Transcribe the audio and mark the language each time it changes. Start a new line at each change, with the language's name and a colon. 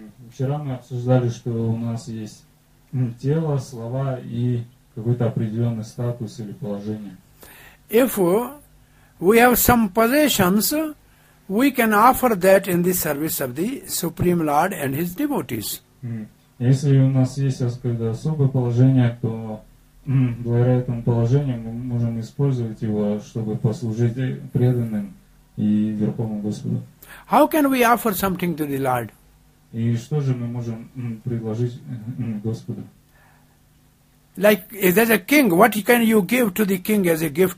Russian: Вчера мы обсуждали, что у нас есть тело, слова и какой-то определенный статус или положение.
English: If we have some possessions, we can offer that in the service of the Supreme Lord and His devotees.
Russian: Если у нас есть какое-то особое положение, то благодаря этому положению мы можем использовать его, чтобы послужить преданным и Верховному Господу.
English: How can we offer something to the Lord?
Russian: И что же мы можем предложить Господу?
English: Like if there's a king, what can you give to the king as a gift?